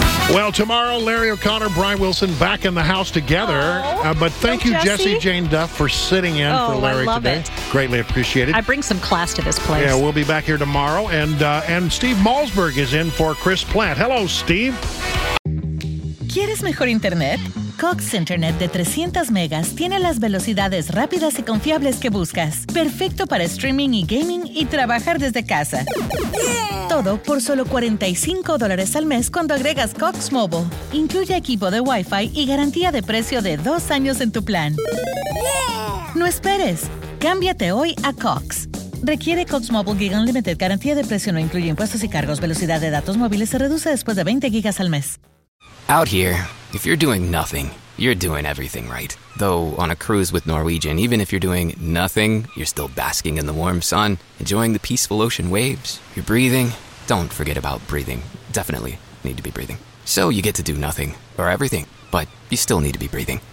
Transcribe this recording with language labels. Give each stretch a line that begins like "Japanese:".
English: Well, tomorrow, Larry O'Connor, Brian Wilson back in the house together. But thank you, Jesse Jane Duff, for sitting in for Larry today. I love it. Greatly appreciated. I bring some class to this place. Yeah, we'll be back here tomorrow. And Steve Malzberg is in for Chris Plant. Hello, Steve.
Spanish: ¿Quieres mejor internet? Cox Internet de 300 megas tiene las velocidades rápidas y confiables que buscas. Perfecto para streaming y gaming y trabajar desde casa. Todo por solo $45 al mes cuando agregas Cox Mobile. Incluye equipo de Wi-Fi y garantía de precio de 2 años en tu plan. No esperes. Cámbiate hoy a Cox. Requiere Cox Mobile Gig Unlimited. Garantía de precio no incluye impuestos y cargos. Velocidad de datos móviles se reduce después de 20 gigas al mes.
English: Out here, if you're doing nothing, you're doing everything right. Though on a cruise with Norwegian, even if you're doing nothing, you're still basking in the warm sun, enjoying the peaceful ocean waves, you're breathing. Don't forget about breathing. Definitely need to be breathing. So you get to do nothing or everything, but you still need to be breathing.